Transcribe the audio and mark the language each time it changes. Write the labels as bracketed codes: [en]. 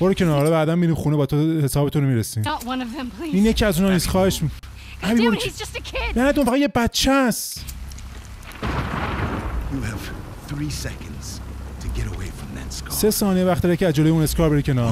[fa] برو کنار، بعدم میریم خونه با تو حسابتون رو میرسیم. [en] Not one of them, please. [fa] این یکی از اونا نیست، خواهش می‌کنم. [en] Damn it, he's just a kid. [fa] نه، اون فقط یه بچه است. [en] You have 3 seconds to get away from that scar. [fa] 3 ثانیه وقت داری که از جلوی اون اسکار بری کنار.